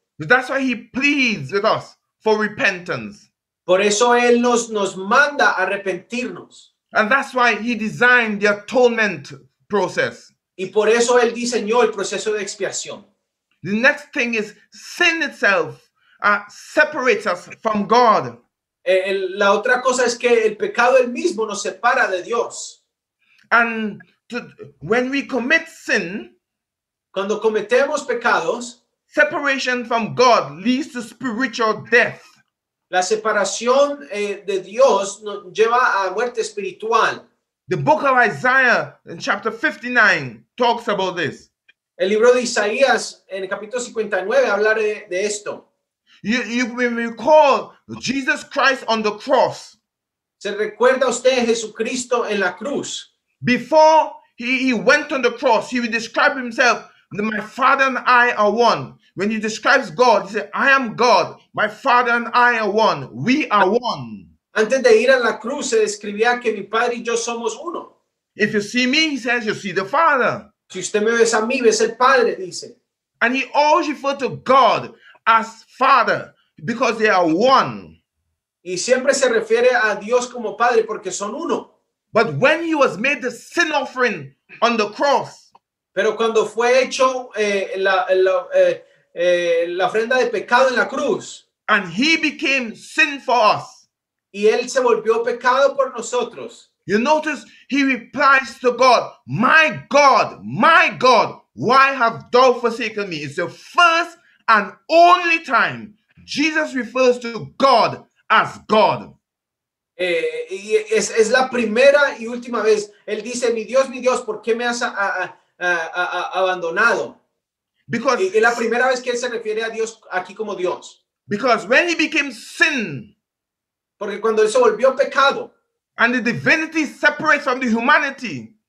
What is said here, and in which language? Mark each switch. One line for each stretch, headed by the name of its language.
English: That's why he pleads with us for repentance.
Spanish: Por eso él nos manda arrepentirnos.
English: And that's why he designed the atonement process.
Spanish: Y por eso él diseñó el proceso de expiación.
English: The next thing is sin itself separates us from God.
Spanish: La otra cosa es que el pecado él mismo nos separa de Dios.
English: And when we commit sin,
Spanish: cuando cometemos pecados,
English: separation from God leads to spiritual death.
Spanish: La separación de Dios nos lleva a muerte espiritual.
English: The book of Isaiah in chapter 59 talks about this.
Spanish: El libro de Isaías en el capítulo 59 habla de esto.
English: You may recall Jesus Christ on the cross.
Spanish: ¿Se recuerda usted Jesucristo en la cruz?
English: Before he went on the cross, he would describe himself, my Father and I are one. When he describes God, he said, I am God, my Father and I are one. We are one.
Spanish: Antes de ir a la cruz, se describía que mi Padre y yo somos uno.
English: If you see me, he says, you see the Father.
Spanish: Si usted me ve a mí, ves el Padre, dice.
English: And he always referred to God as Father, because they are one.
Spanish: Y siempre se refiere a Dios como Padre porque son uno.
English: But when he was made the sin offering on the cross,
Spanish: pero cuando fue hecho la ofrenda de pecado en la cruz,
English: and he became sin for us,
Spanish: y él se volvió pecado por nosotros.
English: You notice he replies to God, my God, my God, why have thou forsaken me? It's the first and only time Jesus refers to God as God.
Spanish: Es la primera y última vez. Él dice, mi Dios, ¿por qué me has abandonado?
English: Because
Spanish: es la primera vez que él se refiere a Dios aquí como Dios.
English: Because when he became sin,
Spanish: porque cuando él se volvió pecado,
English: and the divinity separates from the humanity,